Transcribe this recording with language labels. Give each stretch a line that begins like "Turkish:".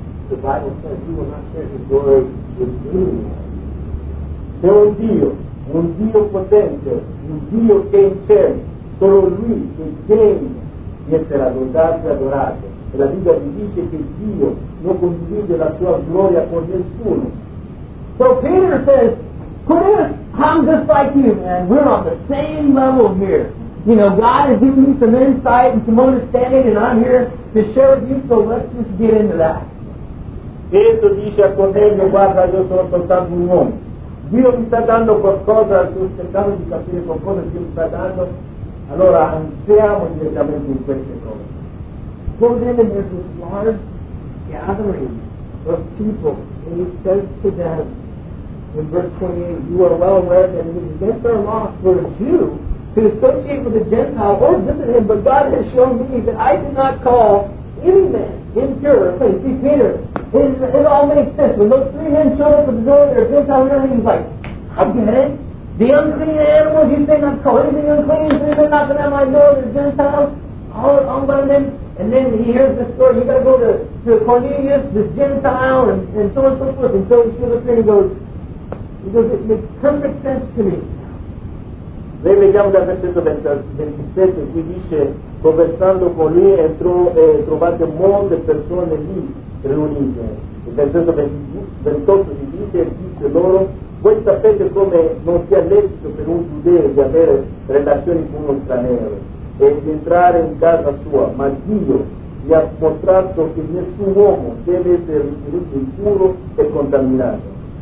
English: The Bible says he will not share his glory with anyone.
Italian: C'è un Dio potente, un Dio che è in cielo, solo lui che è degno di essere adorato e adorato. E la Bibbia gli dice che Dio non condivide la sua gloria con nessuno.
English: So Peter says, Cornelius, I'm just like you, man. We're on the same level here. You know, God has given me some insight and some understanding, and I'm here to share with you, so let's just get into that.
Italian: Pietro dice a Cornelio, guarda, io sono soltanto un uomo. Dio mi sta dando qualcosa, sto cercando di capire qualcosa che Dio mi sta dando. Allora entriamo direttamente in queste cose.
English: Cornelio, there's this large gathering of people, and he says to them in verse 28, you are well aware that it is against our law for a Jew to associate with a Gentile or visit him, but God has shown me that I do not call any man impure. Please, see Peter. It all makes sense. When those three men show up at the door, they're just out there, he's like, I get it. The unclean animals, you say not to call anything unclean, so they're knocking at my door, they're Gentiles, all about them. And then he hears the story, you gotta go to Cornelius, this Gentile, and so on and so forth. And so he shows up there and he goes, it makes perfect sense to me.
Italian: Noi vediamo dal versetto 27, qui dice, conversando con lui, trovate molte persone lì riunite. Il versetto 28 gli dice loro, voi sapete come non sia lecito per un giudeo di avere relazioni con uno straniero e di entrare in casa sua, ma Dio gli ha mostrato che nessun uomo deve essere ritenuto impuro e contaminato.